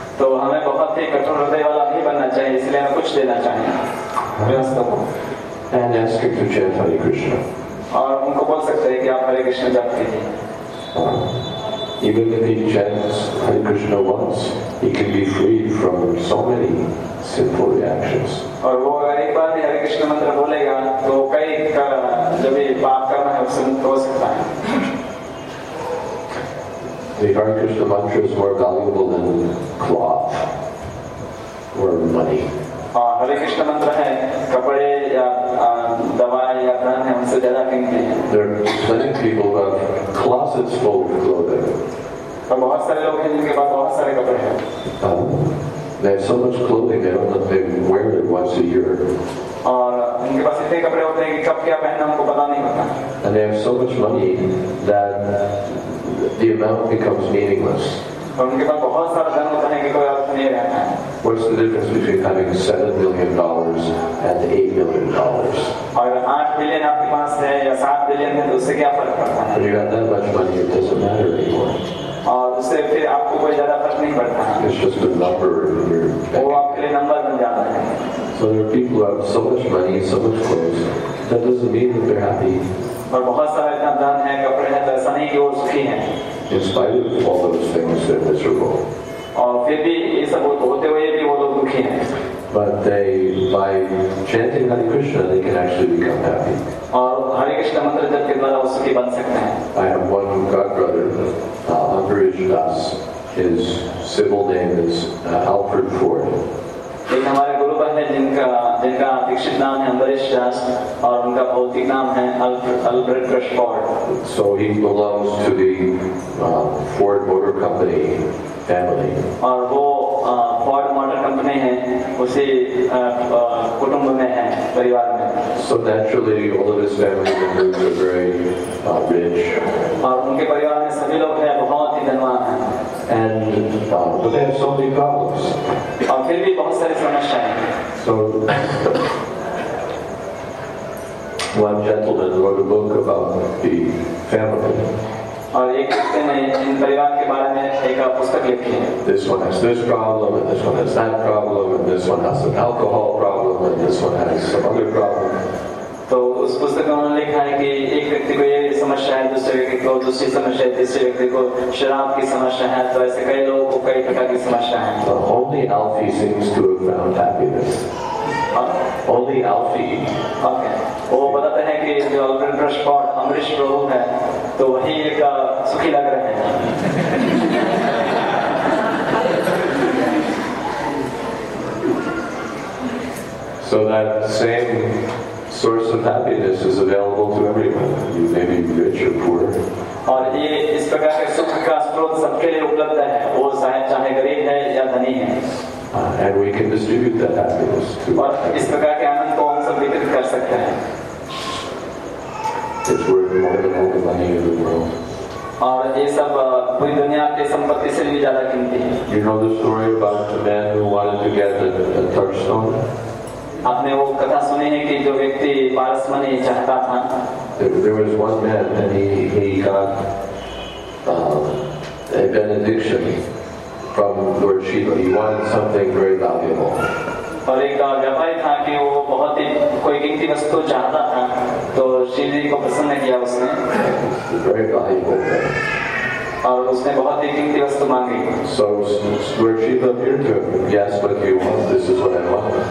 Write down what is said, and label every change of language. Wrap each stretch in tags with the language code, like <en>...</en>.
<hi>तो हमें बहुत ही कठोर हृदय वाला नहीं बनना चाहिए, इसलिए हमें कुछ देना चाहिए व्यवस्था को.</hi> <en>And ask him to chant Hare Krishna.</en> <hi>और उनको बोल सकते हैं कि आप हरे कृष्ण जप कीजिए.</hi> <en>Even if he chants Hare Krishna once, he can be freed from so many sinful reactions.</en> <hi>और वो अगर एक बार भी हरे कृष्ण मंत्र बोलेगा तो कई जब पाप करना है उससे मुक्त हो सकता है.</hi> <en>The Hare Krishna mantra is more valuable than cloth or money.</en> <hi>हरे कृष्ण मंत्र है कपड़े या दवाई या धन है उनसे ज्यादा कीमती है.</hi> <en>There are many people who have closets full of clothing.</en> <hi>बहुत सारे लोग हैं जिनके पास बहुत सारे कपड़े हैं.</hi> <en>They have so much clothing they don't know if they wear it once a year.</en> <hi>और उनके पास इतने कपड़े होते हैं कि कब क्या पहनना उनको पता नहीं होता.</hi> <en>And they have so much money that the amount becomes meaningless.</en> <hi>उनके पास बहुत सारा धन होता है कि कोई अर्थ नहीं रहता है.</hi> <en>What's the difference between having $7 million and $8 million?</en> <hi>अगर 8 billion आपके पास है या 7 billion है तो उससे क्या फर्क पड़ता है?</hi> <en>But you have that much money, it doesn't matter anymore.</en> <hi>और उससे फिर आपको कोई ज्यादा फर्क नहीं पड़ता.</hi> <en>It's just a number.</en> <hi>वो आपके लिए नंबर बन जाता है.</hi> <en>So there are people who have so much money, so much clothes, that doesn't mean that they're happy.</en> <hi>और बहुत सारा इतना धन है कपड़े हैं तो ऐसा नहीं कि वो सुखी हैं.</hi> <en>In spite of all those things, they're miserable.</en> <hi>और फिर भी ये सब होते हुए भी वो लोग दुखी हैं.</hi> <en>But they, by chanting Hare Krishna, they can actually become happy.</en> <hi>और हरे कृष्ण मंत्र जप के द्वारा वो सुखी बन सकते हैं.</hi> <en>I have one god brother, Andrej Das. His civil name is Alfred Ford.</en> <hi>एक हमारे गुरु बन हैं जिनका जिनका दीक्षित नाम है अंबरीश दास और उनका भौतिक नाम है Alfred क्रशफोर्ड.</hi> <en>So he belongs to the Ford motor company family.</en> <hi>और वो फोर्ड मोटर कंपनी है उसी कुटुंब में है परिवार में.</hi> <en>So naturally all of his family members are very rich.</en> <hi>और उनके परिवार में सभी लोग हैं बहुत ही धनवान हैं.</hi> <en>And but they have so many problems.</en> <hi>और फिर भी बहुत सारी समस्याएं.</hi> <en>So one gentleman wrote a book about the family.</en> <hi>और एक व्यक्ति ने इन परिवार के बारे में एक पुस्तक लिखी है.</hi> <en>This one has this problem and this one has that problem and this one has an alcohol problem and this one has some other problem.</en> <hi>तो उस पुस्तक में उन्होंने लिखा है कि एक व्यक्ति को ये समस्या है, दूसरे व्यक्ति को दूसरी समस्या है, तीसरे व्यक्ति को शराब की समस्या है, तो ऐसे कई लोगों को कई प्रकार की समस्या है.</hi> <en>But only Alfie seems to have found happiness. Only Alfie. Okay.</en> <hi>वो बताते हैं कि जो अल्फ्रेड क्रशफोर्ड अमरीश प्रभु है तो वही एक सुखी लग रहे हैं.</hi> <en>So that same source of happiness is available to everyone. You may be rich or poor.</en> <hi>और ये इस प्रकार के सुख का स्रोत सबके लिए उपलब्ध है, वो चाहे गरीब है या धनी है.</hi> <en>And we can distribute that happiness to</en> <hi>और इस प्रकार के आनंद को हम सब वितरित कर सकते हैं.</hi> <en>It's worth more than all the money in the world.</en> <hi>और ये सब पूरी दुनिया के संपत्ति से भी ज्यादा कीमती है.</hi> <en>You know the story about the man who wanted to get the third stone?</en> <hi>आपने वो कथा सुनी है कि जो व्यक्ति पारस मणि चाहता था.</hi> <en>There was one man and he got a benediction from Lord Shiva. He wanted something very valuable.</en> <hi>और एक व्यापारी था कि वो बहुत ही कोई कीमती वस्तु चाहता था तो शिव जी को प्रसन्न किया उसने.</hi> <en>Very valuable.</en> <hi>और उसने बहुत ही कीमती वस्तु मांगी.</hi> <en>So Lord Shiva appeared to him. Yes, what do you want? This is what I want.</en>